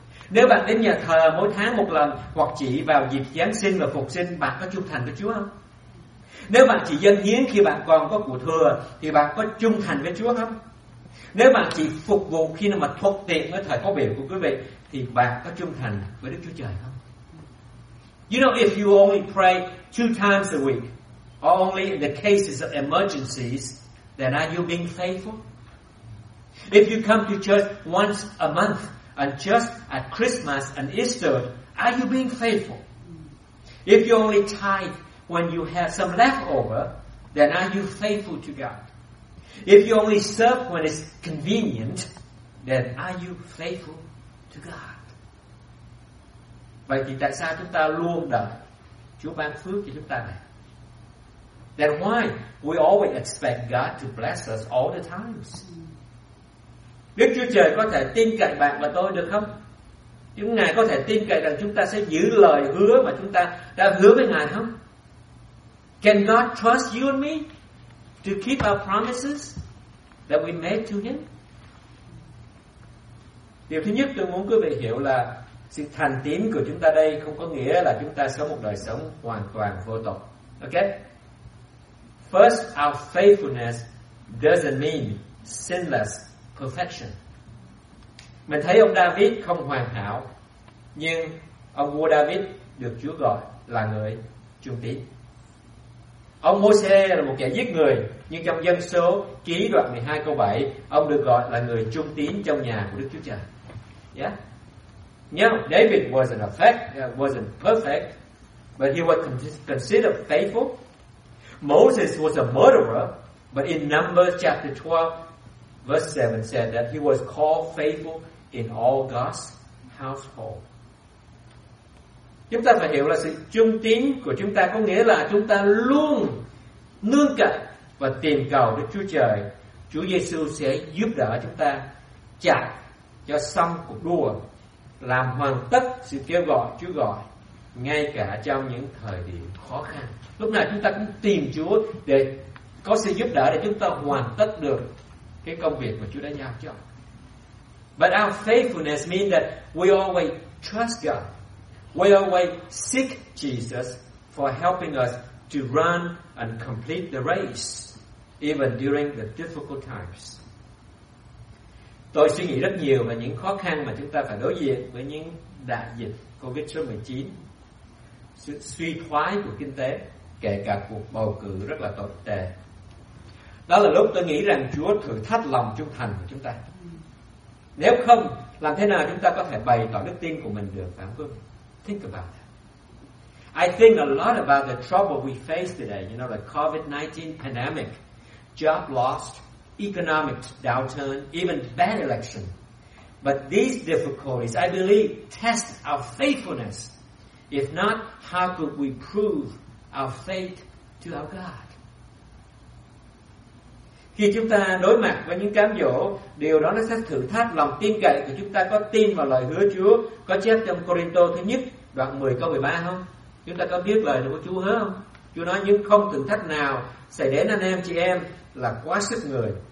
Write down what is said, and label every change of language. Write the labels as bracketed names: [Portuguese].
[Vietnamese] Nếu bạn đến nhà thờ mỗi tháng một lần hoặc chỉ vào dịp Giáng sinh và Phục sinh, bạn có trung thành với Chúa không? Nếu bạn chỉ dâng hiến khi bạn còn có của thừa thì bạn có trung thành với Chúa không? Nếu bạn chỉ phục vụ khi nào mà thuận tiện với thời có biểu của quý vị thì bạn có trung thành với Đức Chúa Trời không? [English] You know, if you only pray two times a week, or only in the cases of emergencies, then are you being faithful? If you come to church once a month, and just at Christmas and Easter, are you being faithful? If you only tithe when you have some left over, then are you faithful to God? If you only serve when it's convenient, then are you faithful to God? [Vietnamese] Vậy thì tại sao chúng ta luôn đợi Chúa ban phước cho chúng ta này? [English] Then why we always expect God to bless us all the times? [Vietnamese] Đức Chúa Trời có thể tin cậy bạn và tôi được không? Chúng Ngài có thể tin cậy rằng chúng ta sẽ giữ lời hứa mà chúng ta đã hứa với Ngài không? [English] Can God trust you and me to keep our promises that we made to Him? [Vietnamese] Điều thứ nhất tôi muốn quý vị hiểu là sự thành tín của chúng ta đây không có nghĩa là chúng ta sống một đời sống hoàn toàn vô tội. Okay? [English] First, our faithfulness doesn't mean sinless perfection. [Vietnamese] Mình thấy ông David không hoàn hảo, nhưng ông vua David được Chúa gọi là người trung tín. Ông Môsê là một kẻ giết người, nhưng trong Dân Số ký đoạn 12 câu 7, ông được gọi là người trung tín trong nhà của Đức Chúa Trời. [English] Yeah. David wasn't perfect, but he was considered faithful. Moses was a murderer, but in Numbers chapter 12, verse 7 said that he was called faithful in all God's household. [Vietnamese] Chúng ta phải hiểu là sự trung tín của chúng ta có nghĩa là chúng ta luôn nương cậy và tìm cầu Đức Chúa Trời. Chúa Giê-xu sẽ giúp đỡ chúng ta chạy cho xong cuộc đua, làm hoàn tất sự kêu gọi Chúa gọi, ngay cả trong những thời điểm khó khăn. Lúc nào chúng ta cũng tìm Chúa để có sự giúp đỡ để chúng ta hoàn tất được cái công việc mà Chúa đã giao cho. [English] But our faithfulness means that we always trust God. We always seek Jesus for helping us to run and complete the race, even during the difficult times. [Vietnamese] Tôi suy nghĩ rất nhiều về những khó khăn mà chúng ta phải đối diện với những đại dịch COVID-19, sự suy thoái của kinh tế, kể cả cuộc bầu cử rất là tồi tệ. Đó là lúc tôi nghĩ rằng Chúa thử thách lòng trung thành của chúng ta. Nếu không, làm thế nào chúng ta có thể bày tỏ đức tin của mình được, phải không? [English] Think about that. I think a lot about the trouble we face today, you know, the COVID-19 pandemic, job loss, economic downturn, even bad election. But these difficulties, I believe, test our faithfulness. If not, how could we prove our faith to our God? [Vietnamese] Khi chúng ta đối mặt với những cám dỗ, điều đó nó sẽ thử thách lòng tin cậy của chúng ta có tin vào lời hứa Chúa có chép trong Corinto thứ nhất đoạn 10 câu 13 không? Chúng ta có biết lời của Chúa không? Chúa nói nhưng không thử thách nào xảy đến anh em chị em là quá sức người.